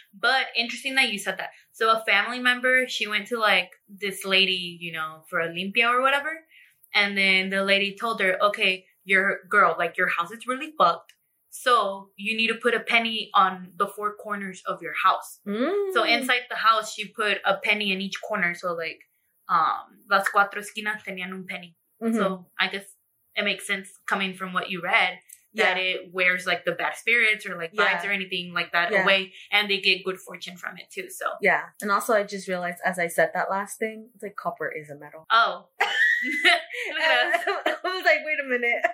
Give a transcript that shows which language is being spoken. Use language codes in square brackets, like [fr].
[en] But interesting that you said that. So a family member, she went to like this lady, you know, for Olympia or whatever. And then the lady told her, okay, your girl, like your house is really fucked. So you need to put a penny on the four corners of your house. So inside the house, she put a penny in each corner. So like [es] las cuatro esquinas tenían un penny. Mm-hmm. [en] So I guess it makes sense coming from what you read that it wears like the bad spirits or like vibes or anything like that away, and they get good fortune from it too. So yeah. And also I just realized as I said that last thing, it's like copper is a metal. Oh. I was like, wait a minute.